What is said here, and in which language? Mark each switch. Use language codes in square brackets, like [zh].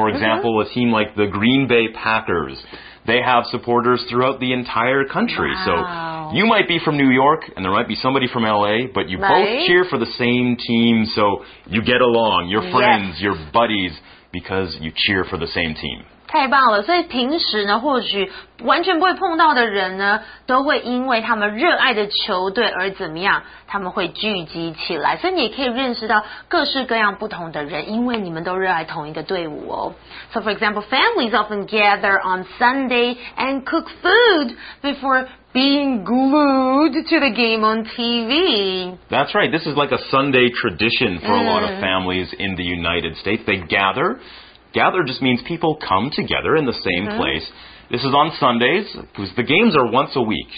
[en] For example, a team like the Green Bay Packers. They have supporters throughout the entire country. Wow. So you might be from New York, and there might be somebody from L.A., but you both cheer for the same team, so you get along, your friends, your buddies, because you cheer for the same team. [zh] 太棒了，所以平时呢，或许完全不会碰到的人呢，都会因为他们热爱的球队而怎么样，他们会聚集起来，所以你也可以认识到各式各样不同的人，因为你们都热爱同一个队伍哦。 [en] So for example, families often gather on Sunday and cook food before being glued to the game on TV. That's right, this is like a Sunday tradition for a lot of families in the United States. They gather. Gather just means people come together in the same place. This is on Sundays, because the games are once a week.